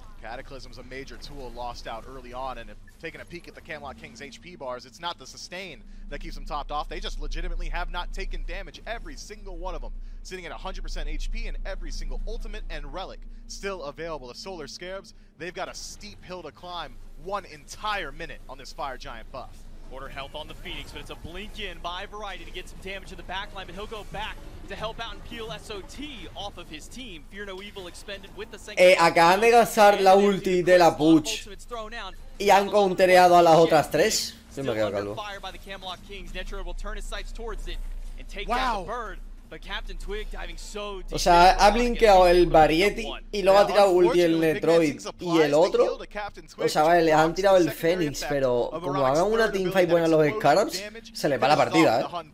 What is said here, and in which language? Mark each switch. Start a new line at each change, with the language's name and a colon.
English: Cataclysm's a major tool lost out early on, and taking a peek at the Camelot Kings HP bars, it's not the sustain that keeps them topped off. They just legitimately have not taken damage, every single one of them sitting at 100% HP and every single ultimate and relic still available. The Solar Scarabs, they've got a steep hill to climb one entire minute on this Fire Giant buff. Quarter health on the Phoenix, but it's a blink in by Variety to get some damage to the backline, but he'll go back to help out and peel SOT off of his team. Fear No Evil expended with the second.
Spanish: Acaban de gastar la ulti de la Puch y han countereado a las otras tres. Sí, me quedo calvo.
English: Fire by the Camelot Kings. Netroid will turn his sights towards it and take down the bird. But Captain Twig diving so deep.
Spanish: O sea, ha blinkeado el Varietti y luego ha tirado ulti el Netroid y el otro. O sea, vale, le han tirado el Fénix, pero como hagan una teamfight buena los Scarabs, se le va la partida,